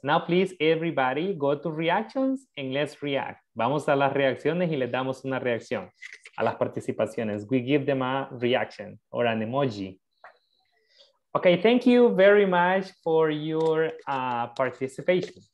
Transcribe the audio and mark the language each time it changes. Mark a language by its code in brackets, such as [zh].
[en] Now, please, everybody, go to reactions and let's react. [es] Vamos a las reacciones y les damos una reacción a las participaciones. [en] We give them a reaction or an emoji. Okay, thank you very much for your participation.